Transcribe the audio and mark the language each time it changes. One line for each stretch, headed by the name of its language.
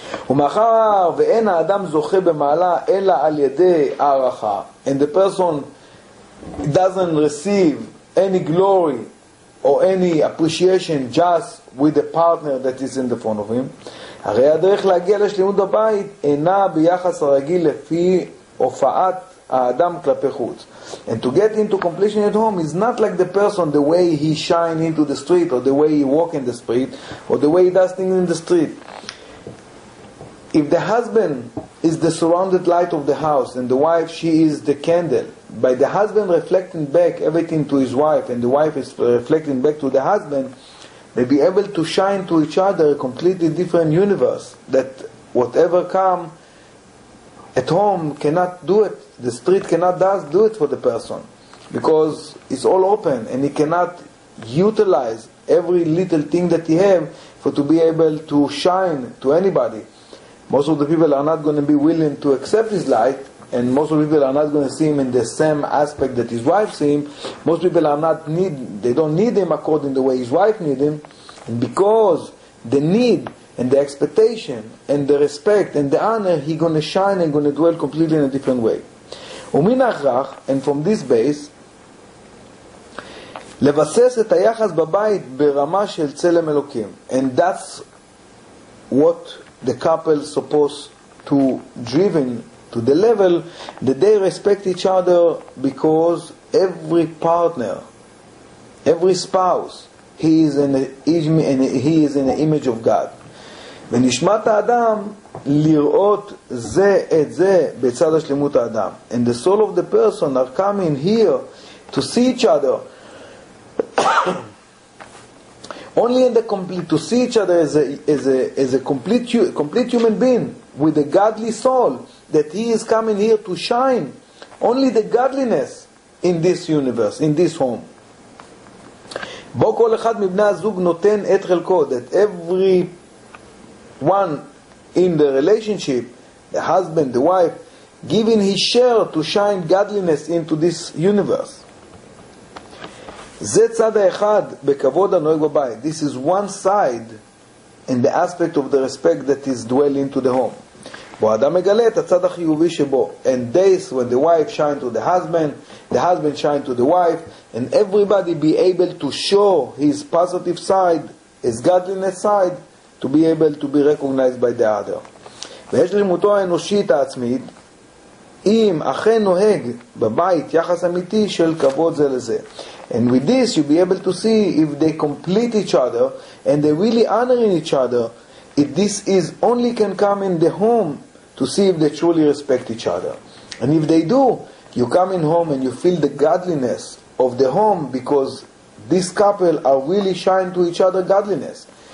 Hebrew: ומאחר ואין האדם זוכה במעלה אלא על ידי הערכה,
English: and the person doesn't receive any glory or any appreciation just with the partner that is in the front of him,
Hebrew: הרי הדרך להגיע לשלימות בבית אינה ביחס הרגיל לפי הופעת האדם כלפי חוץ.
English: And to get into completion at home is not like the person, the way he shine into the street, or the way he walk in the street, or the way he does things in the street. If the husband is the surrounded light of the house and the wife, she is the candle, by the husband reflecting back everything to his wife and the wife is reflecting back to the husband, they be able to shine to each other a completely different universe that whatever come at home cannot do it. The street cannot does do it for the person because it's all open and he cannot utilize every little thing that he have for to be able to shine to anybody. Most of the people are not going to be willing to accept his light, and most of the people are not going to see him in the same aspect that his wife sees him. Most people are not need, they don't need him according to the way his wife needs him. And because the need and the expectation and the respect and the honor, he's going to shine and going to dwell completely in a different way. And from this base,
Hebrew: לבסס את היחס בבית ברמה של צלם אלוקים.
English: And that's what the couple supposed to driven to the level that they respect each other, because every partner, every spouse, he is in the image of God.
Hebrew: ונשמת האדם לראות זה את זה בצד השלמות האדם.
English: And the soul of the person are coming here to see each other only in the complete, to see each other as a complete human being with a godly soul, that he is coming here to shine only the godliness in this universe, in this home.
Hebrew: בו כל אחד מבני הזוג נותן את חלקו,
English: that every one in the relationship, the husband, the wife, giving his share to shine godliness into this universe.
Hebrew: זה צד האחד בכבוד הנוהג בבית.
English: This is one side in the aspect of the respect that is dwelling into the home.
Hebrew: בו האדם מגלה את הצד החיובי שבו.
English: And days when the wife shine to the husband shine to the wife, and everybody be able to show his positive side, his godliness side, to be able to be recognized by the other.
Hebrew: ויש לשמותו האנושית העצמית, אם אכן נוהג בבית יחס אמיתי של כבוד זה לזה.
English: And with this you'll be able to see if they complete each other and they really honor each other, if this is only can come in the home, to see if they truly respect each other. And if they do, you come in home and you feel the godliness of the home, because this couple are really shine to each other godliness.